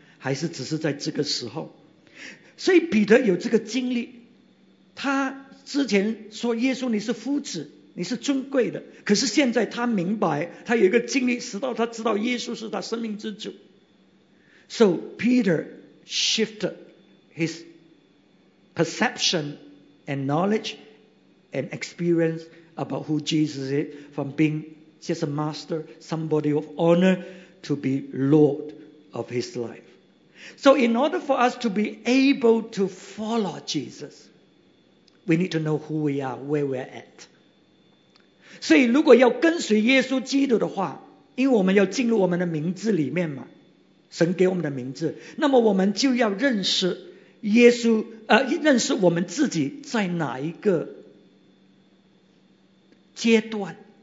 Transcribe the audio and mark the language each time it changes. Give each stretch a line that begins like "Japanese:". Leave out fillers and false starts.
Chinese: 还是只是在这个时候？所以彼得有这个经历，他之前说耶稣你是夫子，你是尊贵的，可是现在他明白，他有一个经历，使到他知道耶稣是他生命之主。
English: So Peter shifted his perception and knowledge and experience about who Jesus is from beingJust a master, somebody of honor, to be Lord of his life. So in order for us to be able to follow Jesus, we need to know who we are, where we're at.
Chinese: 所以如果要跟随耶稣基督的话，因为我们要进入我们的名字里面嘛，神给我们的名字，那么我们就要认识耶稣，认识我们自己在哪一个阶段。